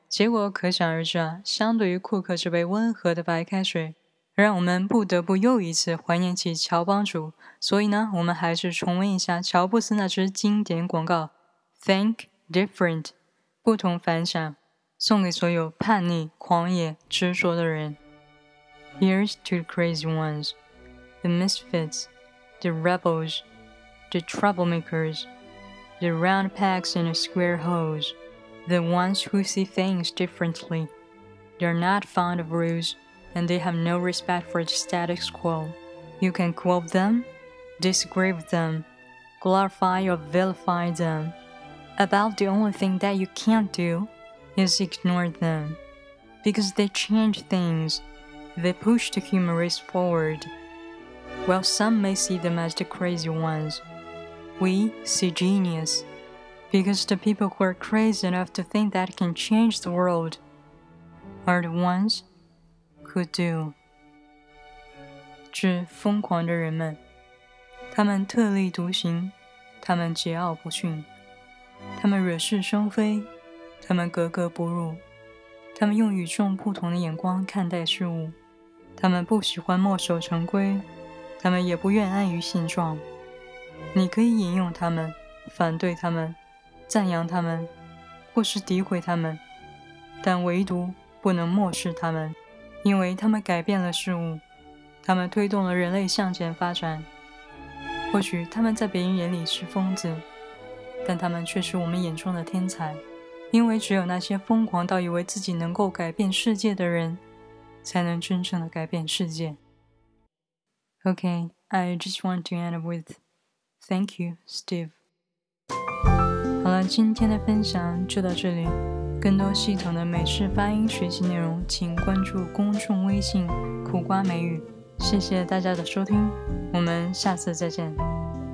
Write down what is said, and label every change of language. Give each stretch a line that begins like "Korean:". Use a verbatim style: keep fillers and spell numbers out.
Chinese: 结果可想而知啊，相对于库克这杯温和的白开水，让我们不得不又一次怀念起乔帮主。所以呢，我们还是重温一下乔布斯那支经典广告。
English: Think different，
Chinese: 不同凡响，送给所有叛逆、狂野、执着的人。
English: Here's to the crazy ones, the misfits, the rebels, the troublemakers, the round pegs in the square holes, the ones who see things differently. They're not fond of rules, and they have no respect for the status quo. You can quote them, disagree with them, glorify or vilify them. About the only thing that you can't do is ignore them, because they change things, they push the human race forward. While some may see them as the crazy ones, we see genius, because the people who are crazy enough to think that can change the world are the ones who do.
Chinese: 致疯狂的人们，他们特立独行，他们桀骜不驯。他们惹是生非，他们格格不入，他们用与众不同的眼光看待事物，他们不喜欢墨守成规，他们也不愿安于现状。你可以引用他们，反对他们，赞扬他们，或是诋毁他们，但唯独不能漠视他们，因为他们改变了事物，他们推动了人类向前发展。或许他们在别人眼里是疯子，但他们却是我们眼中的天才，因为只有那些疯狂到以为自己能够改变世界的人，才能真正的改变世界。
English: Okay, I just want to end with thank you, Steve.
Chinese: 好了，今天的分享就到这里。更多系统的美式发音学习内容，请关注公众微信“苦瓜美语”。谢谢大家的收听，我们下次再见。